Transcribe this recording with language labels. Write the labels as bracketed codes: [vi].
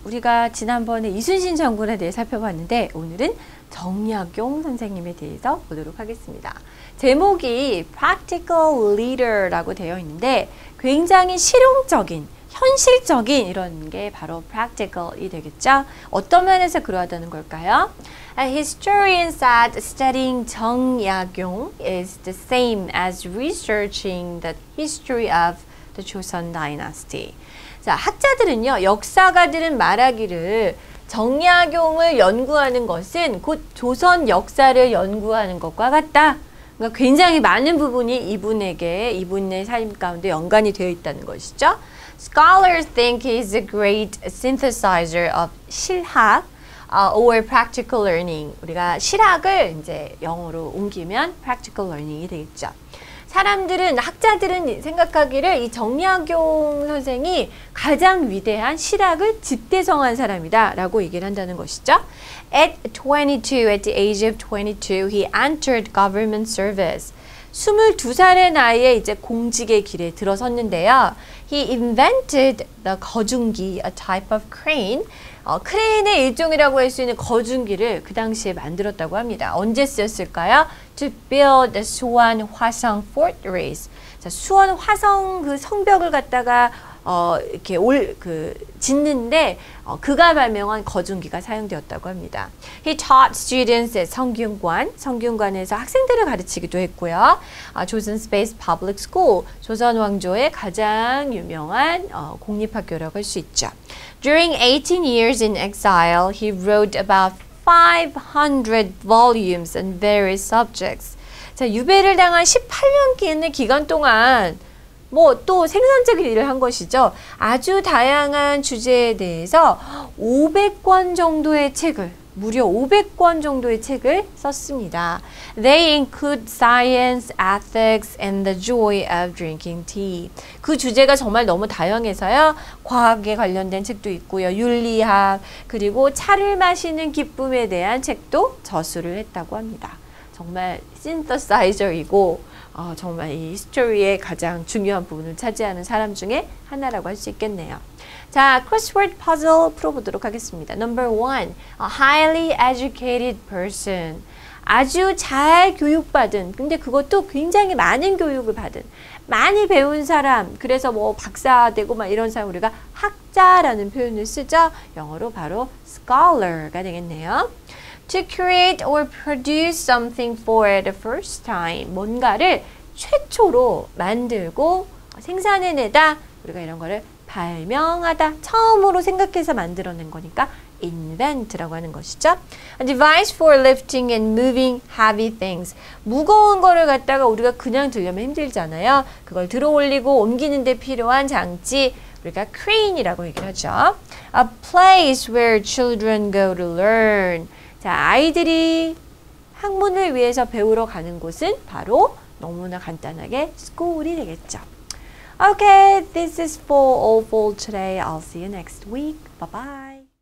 [ko] 우리가 지난번에 이순신 장군에 대해 살펴봤는데 오늘은 정약용 선생님에 대해서 보도록 하겠습니다. 제목이 [en] Practical Leader [ko] 라고 되어 있는데 굉장히 실용적인, 현실적인 이런 게 바로 practical이 되겠죠. 어떤 면에서 그러하다는 걸까요? [en] A historian said studying 정약용 is the same as researching the history of the Joseon dynasty. [ko] 자, 학자들은요, 역사가들은 말하기를 정약용을 연구하는 것은 곧 조선 역사를 연구하는 것과 같다. 그러니까 굉장히 많은 부분이 이분에게, 이분의 삶 가운데 연관이 되어 있다는 것이죠. [en] Scholars think he's a great synthesizer of 실학 or practical learning. [ko] 우리가 실학을 이제 영어로 옮기면 [en] practical learning [ko] 이 되겠죠. 사람들은, 학자들은 생각하기를 이 정약용 선생이 가장 위대한 실학을 집대성한 사람이다 라고 얘기를 한다는 것이죠. [en] At the age of 22, he entered government service. [ko] 22살의 나이에 이제 공직의 길에 들어섰는데요. [en] He invented the 거중기, a type of crane. [ko] 크레인의 일종이라고 할 수 있는 거중기를 그 당시에 만들었다고 합니다. 언제 쓰였을까요? [en] To build the Suwon Hwaseong Fortress. [ko] 자, 수원 화성 그 성벽을 갖다가 이렇게 올 그 짓는데 그가 발명한 거중기가 사용되었다고 합니다. [en] He taught students at 성균관, [ko] 성균관에서 학생들을 가르치기도 했고요. [en] Joseon Space Public School, [ko] 조선 왕조의 가장 유명한 공립학교라고 할 수 있죠. [en] During 18 years in exile, he wrote about 500 volumes on various subjects. [ko] 자, 유배를 당한 18년 기간 동안 뭐 또 생산적인 일을 한 것이죠. 아주 다양한 주제에 대해서 500권 정도의 책을, 무려 500권 정도의 책을 썼습니다. [en] They include science, ethics, and the joy of drinking tea. [ko] 그 주제가 정말 너무 다양해서요. 과학에 관련된 책도 있고요. 윤리학, 그리고 차를 마시는 기쁨에 대한 책도 저술을 했다고 합니다. 정말 신터사이저이고 정말 이 히스토리의 가장 중요한 부분을 차지하는 사람 중에 하나라고 할 수 있겠네요. 자, 크로스워드 퍼즐 풀어보도록 하겠습니다. [en] Number one, a highly educated person. [ko] 아주 잘 교육받은, 근데 그것도 굉장히 많은 교육을 받은, 많이 배운 사람, 그래서 뭐 박사되고 막 이런 사람 우리가 학자라는 표현을 쓰죠. 영어로 바로 scholar가 되겠네요. [en] To create or produce something for the first time. [ko] 뭔가를 최초로 만들고 생산해내다. 우리가 이런 거를 발명하다. 처음으로 생각해서 만들어낸 거니까 invent라고 하는 것이죠. [en] A device for lifting and moving heavy things. [ko] 무거운 거를 갖다가 우리가 그냥 들려면 힘들잖아요. 그걸 들어올리고 옮기는 데 필요한 장치. 우리가 crane이라고 얘기를 하죠. [en] A place where children go to learn. [ko] 자, 아이들이 학문을 위해서 배우러 가는 곳은 바로 너무나 간단하게 school이 되겠죠. [en] Okay, this is for all for today. I'll see you next week. Bye-bye.